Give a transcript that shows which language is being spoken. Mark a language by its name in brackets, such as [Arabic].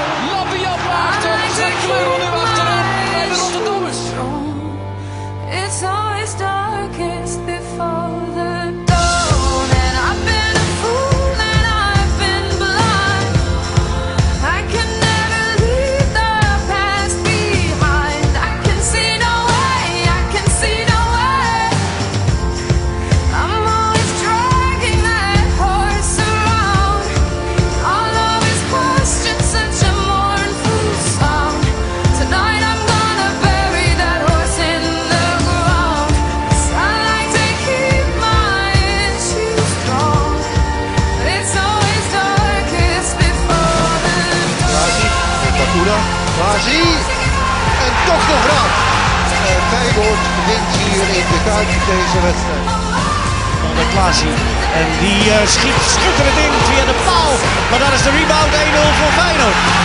[Dutch] Lampiap maakt hem. Zet Kleurl nu achteraan bij de Rotterdammers. [English] It's always darkest before the dawn. And I've been a fool and I've been blind. I can never leave the past behind. I can see no way, I can see no way. I'm always dragging that horse around. All of his questions, such a mournful song. Tonight I'm gonna bury that horse in the ground. I like to keep my issues strong. But it's always darkest before the [Dutch] dawn. Vazi, en toch nog raad. En Feyenoord wint hier in de Kuip deze wedstrijd. Van der Klaasie. En die schiet schitterend in via de paal. Maar daar is de rebound 1-0 voor Feyenoord.